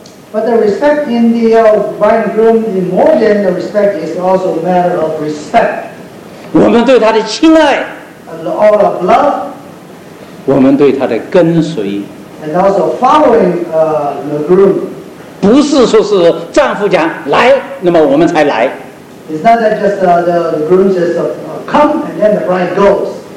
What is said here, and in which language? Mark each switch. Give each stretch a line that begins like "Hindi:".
English: But the respect in the bride and groom is more than the respect, is also a matter of respect.
Chinese: 我们对他的亲爱,
English: and all of love,
Chinese: 我们对他的跟随,
English: and also following the groom.
Chinese: 不是说是丈夫讲来，那么我们才来。
English: It's not that just the groom says come and then the bride goes.